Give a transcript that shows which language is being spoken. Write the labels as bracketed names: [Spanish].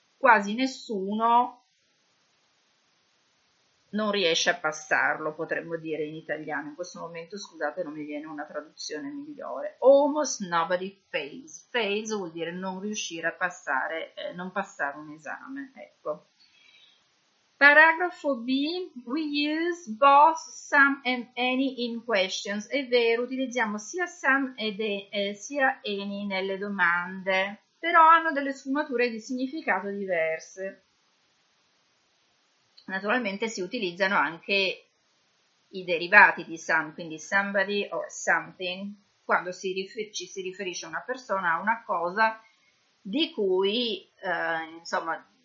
[Italian] Quasi nessuno non riesce a passarlo, potremmo dire in italiano. In questo momento, scusate, non mi viene una traduzione migliore. [English] Almost nobody fails. [Italian] Fails vuol dire non riuscire a passare, non passare un esame, ecco. Paragrafo B, [English] we use both some and any in questions. [Italian] È vero, utilizziamo sia some sia any nelle domande, però hanno delle sfumature di significato diverse. Naturalmente si utilizzano anche i derivati di some, quindi somebody or something, quando ci si riferisce a una persona, a una cosa di cui, insomma,